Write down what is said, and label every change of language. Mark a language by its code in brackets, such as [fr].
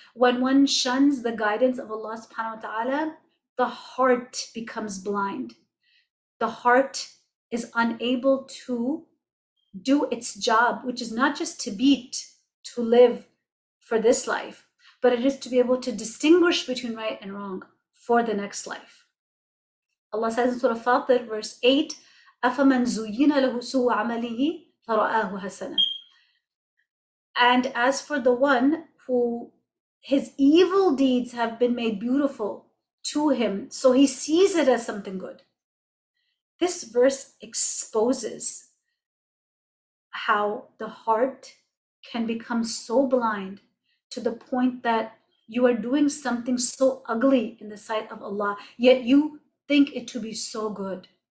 [en] When one shuns the guidance of Allah subhanahu wa ta'ala, the heart becomes blind. The heart is unable to do its job, which is not just to beat, to live for this life, but it is to be able to distinguish between right and wrong for the next life. Allah says in Surah Fatir, verse 8, [ar] أَفَمَنْ زُيِّنَ لَهُ سُوءَ عَمَلِهِ فَرَآهُ حَسَنًا. [en] And as for the one who his evil deeds have been made beautiful to him, so he sees it as something good. This verse exposes how the heart can become so blind to the point that you are doing something so ugly in the sight of Allah, yet you think it to be so good.